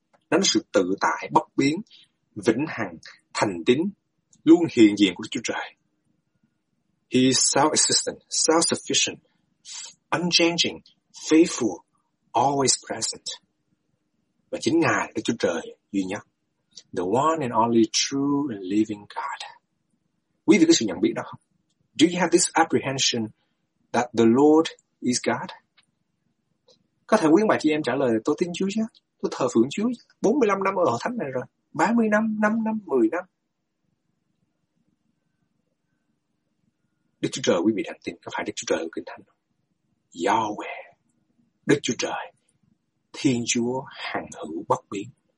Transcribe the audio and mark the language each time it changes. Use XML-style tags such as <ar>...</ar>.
<vi>Đó là sự tự tại, bất biến, vĩnh hằng, thành tín, luôn hiện diện của Đức Chúa Trời.</vi> <en>He is self-existent, self-sufficient, unchanging, faithful, always present.</en> <vi>Và chính Ngài, Đức Chúa Trời duy nhất.</vi> <en>The one and only true and living God.</en> <vi>Quý vị có sự nhận biết đó không?</vi> <en>Do you have this apprehension that the Lord is God?</en> <vi>Có thể quý bài chị em trả lời, tôi tin Chúa chứ, tôi thờ phượng Chúa chứ. 45 năm ở hội thánh này rồi, 30 năm, 5 năm, 10 năm. Đức Chúa Trời quý vị đang tin, có phải Đức Chúa Trời của Kinh Thánh không? Yahweh, Đức Chúa Trời, Thiên Chúa hằng hữu bất biến.</vi>